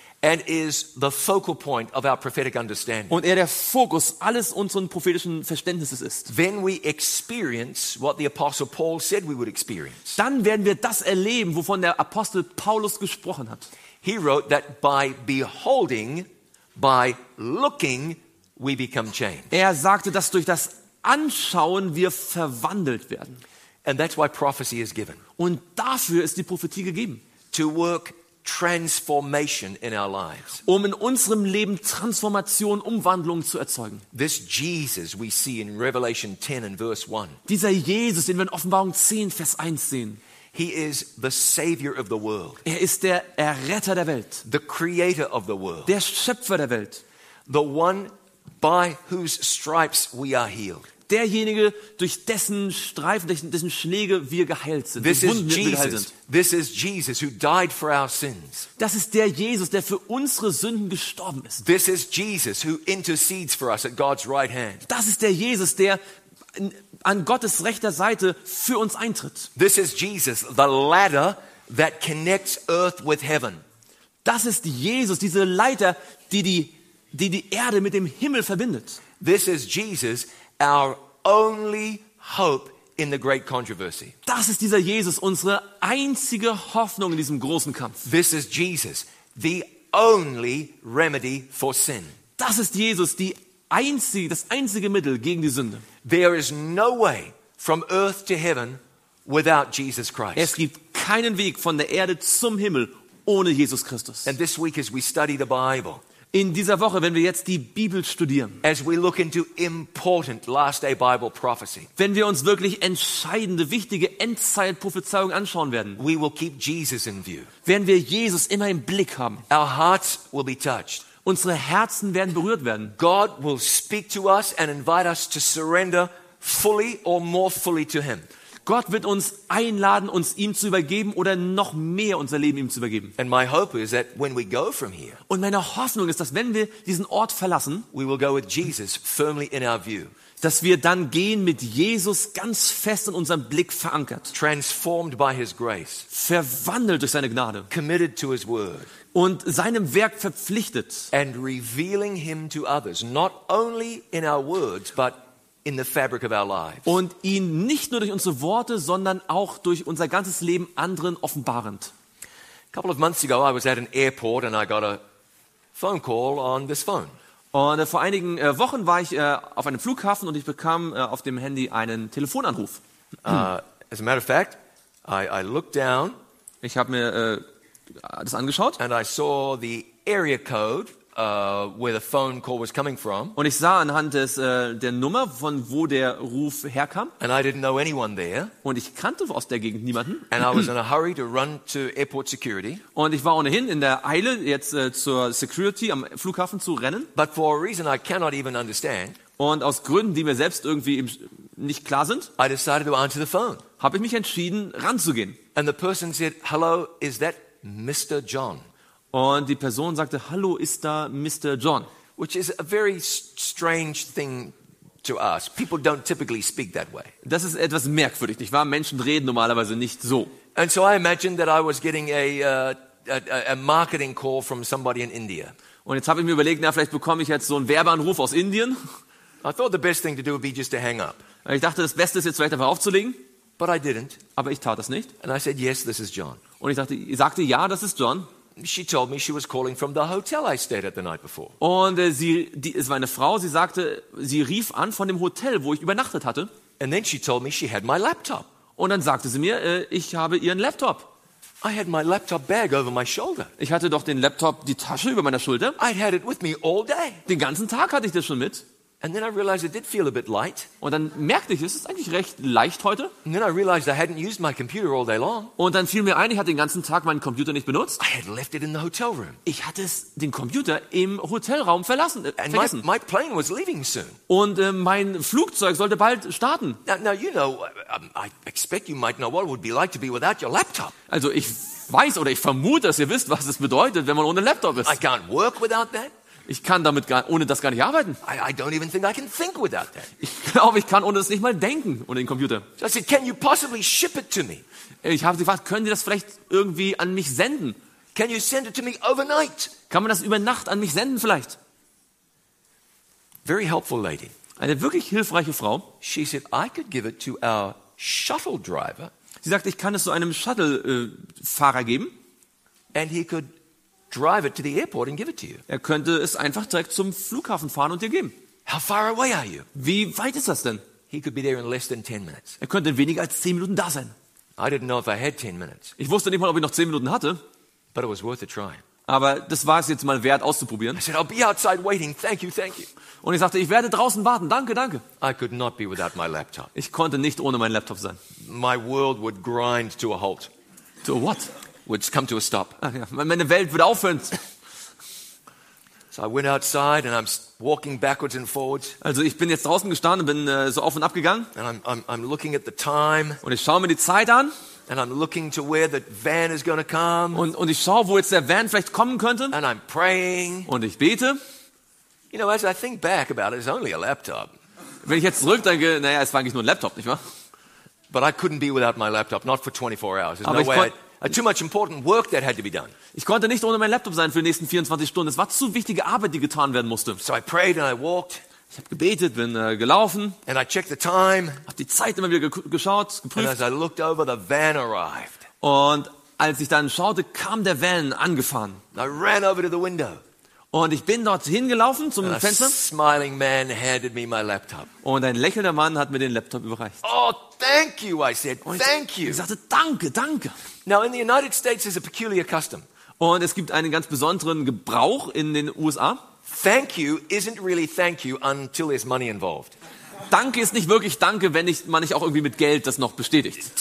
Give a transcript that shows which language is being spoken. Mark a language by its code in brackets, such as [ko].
[en] And is the focal point of our prophetic understanding. [de] Und er der Fokus alles unseren prophetischen Verständnisses ist. [en] When we experience what the apostle Paul said we would experience. [de] Dann werden wir das erleben, wovon der Apostel Paulus gesprochen hat. [en] He wrote that by beholding, by looking, we become changed. [de] Er sagte, dass durch das Anschauen wir verwandelt werden. [en] And that's why prophecy is given. [de] Und dafür ist die Prophetie gegeben. [en] To work transformation in our lives. [de] Um in unserem Leben Transformation, Umwandlung zu erzeugen. [en] This Jesus we see in Revelation 10 and verse 1. [de] Dieser Jesus, den wir in Offenbarung 10, Vers 1 sehen. [en] He is the savior of the world. [de] Er ist der Erretter der Welt. [en] The creator of the world. [de] Der Schöpfer der Welt. [en] The one by whose stripes we are healed. [de] Derjenige, durch dessen Streifen, durch dessen Schläge wir geheilt sind. [en] This is Jesus. This is Jesus who died for our sins. [de] Das ist der Jesus, der für unsere Sünden gestorben ist. [en] This is Jesus who intercedes for us at God's right hand. [de] Das ist der Jesus, der an Gottes rechter Seite für uns eintritt. [en] This is Jesus, the ladder that connects earth with heaven. [de] Das ist Jesus, diese Leiter, die die Erde mit dem Himmel verbindet. [en] This is Jesus, our only hope in the great controversy. [de] Das ist dieser Jesus, unsere einzige Hoffnung in diesem großen Kampf. [en] This is Jesus, the only remedy for sin. [de] Das ist Jesus, das einzige Mittel gegen die Sünde. [en] There is no way from earth to heaven without Jesus Christ. [de] Es gibt keinen Weg von der Erde zum Himmel ohne Jesus Christus. [en] And this week as we study the Bible, [de] in dieser Woche, wenn wir jetzt die Bibel studieren, [en] as we look into important last day Bible prophecy, [de] wenn wir uns wirklich entscheidende, wichtige Endzeitprophezeiungen anschauen werden, [en] we will keep Jesus in view. [de] Werden wir Jesus immer im Blick haben. [en] Our hearts will be touched. [de] Unsere Herzen werden berührt werden. [en] God will speak to us and invite us to surrender fully or more fully to him. [de] Gott wird uns einladen, uns ihm zu übergeben oder noch mehr unser Leben ihm zu übergeben. [en] And my hope is that when we go from here, [de] und meine Hoffnung ist, dass wenn wir diesen Ort verlassen, [en] we will go with Jesus firmly in our view. [de] Dass wir dann gehen mit Jesus ganz fest in unserem Blick verankert. [en] Transformed by his grace. [de] Verwandelt durch seine Gnade. [en] Committed to his word. [de] Und seinem Werk verpflichtet. [en] And revealing him to others, not only in our words, but in the fabric of our lives. [de] Und ihn nicht nur durch unsere Worte, sondern auch durch unser ganzes Leben anderen offenbarend. [en] A couple of months ago, I was at an airport and I got a phone call on this phone. [de] Und vor einigen Wochen war ich auf einem Flughafen und ich bekam auf dem Handy einen Telefonanruf. [en] As a matter of fact, I looked down. [de] Ich habe mir das angeschaut. [en] And I saw the area code where the phone call was coming from. [de] Und ich sah anhand des der Nummer, von wo der Ruf herkam. [en] And I didn't know anyone there. [de] Und ich kannte aus der Gegend niemanden. [en] And I was in a hurry to run to airport security. [de] Und ich war ohnehin in der Eile, jetzt zur Security am Flughafen zu rennen. [en] But for a reason I cannot even understand. [de] Und aus Gründen, die mir selbst irgendwie nicht klar sind, [en] I decided to answer the phone. [de] Habe ich mich entschieden, ranzugehen. [en] And the person said, "Hello, is that Mr. John?" [de] Und die Person sagte, "Hallo, ist da Mr. John?" [en] Which is a very strange thing to ask. People don't typically speak that way. [de] Das ist etwas merkwürdig, nicht wahr? Menschen reden normalerweise nicht so. [en] And so I imagined that I was getting a marketing call from somebody in India. [de] Und jetzt habe ich mir überlegt, na, vielleicht bekomme ich jetzt so einen Werbeanruf aus Indien. [en] I thought the best thing to do would be just to hang up. [de] Ich dachte, das Beste ist jetzt vielleicht einfach aufzulegen. [en] But I didn't. [de] Aber ich tat das nicht. [en] And I said, "Yes, this is John." [de] Und ich sagte, ja, das ist John. [en] She told me she was calling from the hotel I stayed at the night before. [de] Und es war eine Frau, sie sagte, sie rief an von dem Hotel, wo ich übernachtet hatte. [en] And then she told me she had my laptop. [de] Und dann sagte sie mir, ich habe ihren Laptop. [en] I had my laptop bag over my shoulder. [de] Ich hatte doch den Laptop, die Tasche über meiner Schulter. [en] I had it with me all day. [de] Den ganzen Tag hatte ich das schon mit. [en] And then I realized it did feel a bit light. [de] Und dann merkte ich, es ist eigentlich recht leicht heute. [en] And then I realized I hadn't used my computer all day long. [de] Und dann fiel mir ein, ich hatte den ganzen Tag meinen Computer nicht benutzt. [en] I had left it in the hotel room. [de] Ich hatte den Computer im Hotelraum verlassen. [en] And my plane was leaving soon. [de] Und mein Flugzeug sollte bald starten. [en] Now you know, I expect you might know what it would be like to be without your laptop. [de] Also ich weiß oder ich vermute, dass ihr wisst, was es bedeutet, wenn man ohne Laptop ist. [en] I can't work without that. [de] Ich kann damit ohne das gar nicht arbeiten. [en] I don't even think I can think without that. [de] Ich glaube, ich kann ohne das nicht mal denken, ohne den Computer. [en] So I said, "Can you possibly ship it to me?" [de] Ich habe sie gefragt, können Sie das vielleicht irgendwie an mich senden? [en] "Can you send it to me overnight?" [de] Kann man das über Nacht an mich senden vielleicht? [en] Very helpful lady. [de] Eine wirklich hilfreiche Frau. [en] She said, "I could give it to our shuttle driver." [de] Sie sagte, ich kann es so einem Shuttle-Fahrer geben. [en] And he could drive it to the airport and give it to you. [de] Er könnte es einfach direkt zum Flughafen fahren und dir geben. [en] How far away are you? [de] Wie weit ist das denn? [en] He could be there in less than 10 minutes. [de] Er könnte in weniger als 10 Minuten da sein. [en] I didn't know if I had 10 minutes. [de] Ich wusste nicht mal, ob ich noch 10 Minuten hatte. [en] But it was worth a try. [de] Aber das war es jetzt mal wert auszuprobieren. [en] I said, "I'll be outside waiting. Thank you, thank you." [de] Und ich sagte, ich werde draußen warten. Danke, danke. [en] I could not be without my laptop. [de] Ich konnte nicht ohne meinen Laptop sein. [en] my world would grind to a halt. To what? Would come to a stop. [de] Ah, ja. Meine Welt würde aufhören. [en] So I went outside and I'm walking backwards and forwards. [de] Also ich bin jetzt draußen gestanden und bin so auf und ab gegangen. [en] And I'm looking at the time. [de] Und ich schaue mir die Zeit an. [en] And I'm looking to where the van is going to come. [de] Und ich schaue, wo jetzt der Van vielleicht kommen könnte. [en] And I'm praying. [de] Und ich bete. [en] You know, as I think back about it, it's only a laptop. [de] Wenn ich jetzt zurückdenke, naja, es war eigentlich nur ein Laptop, nicht wahr? [en] But I couldn't be without my laptop, not for 24 hours. There's [de] aber [en] no way. Too much important work that had to be done. [de] Ich konnte nicht ohne meinen Laptop sein für die nächsten 24 Stunden. Es war zu wichtige Arbeit, die getan werden musste. [en] So I prayed and I walked. [de] Ich habe gebetet, bin gelaufen. [en] And I checked the time. [de] Hab die Zeit immer wieder geschaut, geprüft. [en] And as I looked over, the van arrived. [de] Und als ich dann schaute, kam der Van angefahren. [en] I ran over to the window. [de] Und ich bin dort hingelaufen zum Fenster. [en] A smiling man handed me my laptop. [de] Und ein lächelnder Mann hat mir den Laptop überreicht. [en] Oh, thank you, I said. Thank you. [de] Ich sagte, danke, danke. [en] Now in the United States is a peculiar custom. [de] Und es gibt einen ganz besonderen Gebrauch in den USA. [en] Thank you isn't really thank you until there's money involved. [de] Danke ist nicht wirklich danke, wenn nicht, man nicht auch irgendwie mit Geld das noch bestätigt.